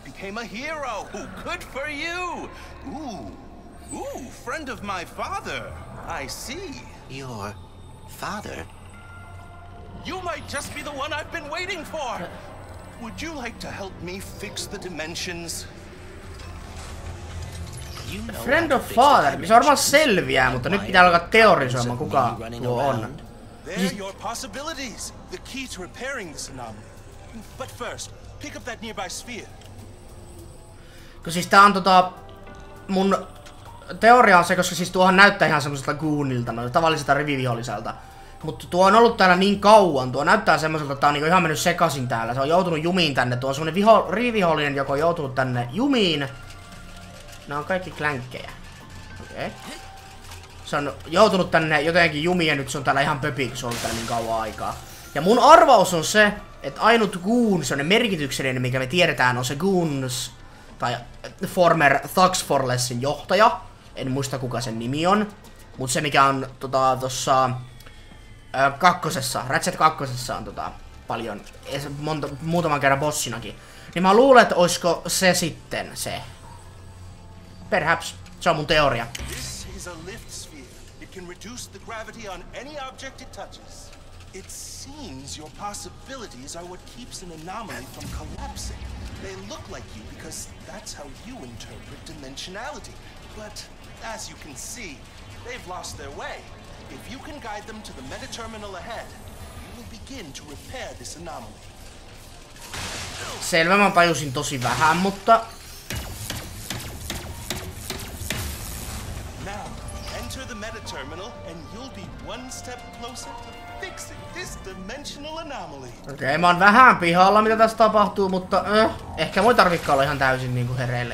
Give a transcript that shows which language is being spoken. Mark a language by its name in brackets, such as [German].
[English] Became a hero. Ooh, good for you. Ooh. Ooh, friend of my father. I see. Your father? You might just be the one I've been waiting for! Would you like to help me fix the dimensions? You know friend of father, [Finnish] se varmaan selviää, mutta nyt pitää alkaa teorisoimaan, kuka tuo on. [English] There are your possibilities, the key to repairing this anomaly. But first, pick up that nearby sphere. [Finnish] Siis tää on mun teoria on se, koska siis tuohan näyttää ihan semmoselta goonilta, noilta tavalliselta riviviholiselta. Mutta tuo on ollut täällä niin kauan, tuo näyttää semmoiselta, että tää on niinku ihan mennyt sekaisin täällä. Se on joutunut jumiin tänne, tuo on semmonen rivihollinen, joka on joutunut tänne jumiin. Nää on kaikki klänkkejä. Okei. Se on joutunut tänne jotenkin jumiin ja nyt se on täällä ihan pöpi, kun se on ollut täällä niin kauan aikaa. Ja mun arvaus on se, että ainut goon, semmonen merkityksellinen, mikä me tiedetään, on se goons, tai former Thugs for Lessin johtaja. En muista, kuka sen nimi on. Mut se, mikä on tossa kakkosessa, Ratchet kakkosessa on paljon, muutaman kerran bossinakin. Niin mä luulen, että olisiko se sitten se. Perhaps, se on mun teoria. [English] This is a lift sphere. It can reduce the gravity on any object it touches. It seems your possibilities are what keeps an anomaly from collapsing. They look like you because that's how you interpret dimensionality. But as you can see, they've lost their way. If you can guide them to the meta terminal ahead, you will begin to repair this anomaly. [Finnish] Selvä, mä tajusin tosi vähän, mutta [English] now, enter the meta terminal and you'll be one step closer to fixing this dimensional anomaly. [Finnish] Okei, mä oon vähän pihalla mitä tässä tapahtuu, mutta ehkä voi tarvikka olla ihan täysin niinku hereillä.